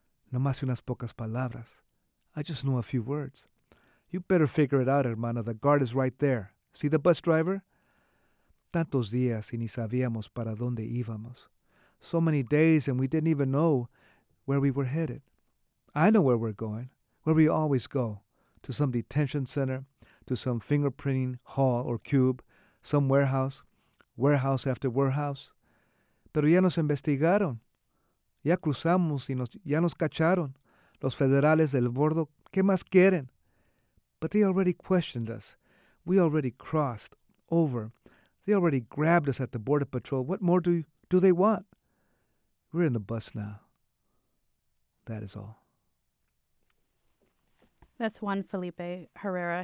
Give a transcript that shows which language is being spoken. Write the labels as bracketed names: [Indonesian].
[Spanish] No más unas pocas palabras. [English] I just know a few words. You better figure it out, hermana. The guard is right there. See the bus driver? [Spanish] Tantos días y ni sabíamos para dónde íbamos. [English] So many days and we didn't even know where we were headed. I know where we're going. Where we always go, to some detention center, to some fingerprinting hall or cube, some warehouse, warehouse after warehouse. [Spanish] Pero ya nos investigaron. Ya cruzamos y ya nos cacharon. Los federales del bordo, ¿qué más quieren? [English] But they already questioned us. We already crossed over. They already grabbed us at the Border Patrol. What more do they want? We're in the bus now. That is all. That's Juan Felipe Herrera.